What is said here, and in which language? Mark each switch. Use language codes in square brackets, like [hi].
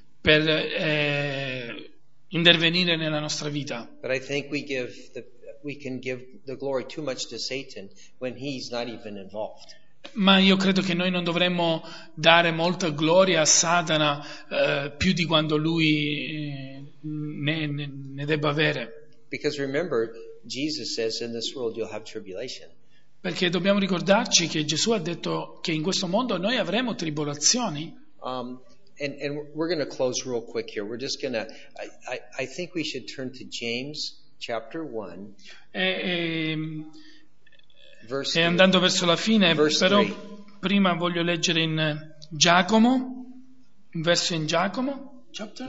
[it] per intervenire nella nostra vita. [en] But I think we give the, we can give the glory too much to Satan when he's not even involved. [it] Ma io credo che noi non dovremmo dare molta gloria a Satana più di quando lui ne debba avere. [en] Because remember, Jesus says in this world you'll have tribulation. [it] Perché dobbiamo ricordarci che Gesù ha detto che in questo mondo noi avremo tribolazioni. [en] And we're going to close real quick here. We're just going to, I think we should turn to James chapter 1. [it] E andando verso la fine, verse però 3. Prima voglio leggere in Giacomo, un verso in Giacomo, chapter?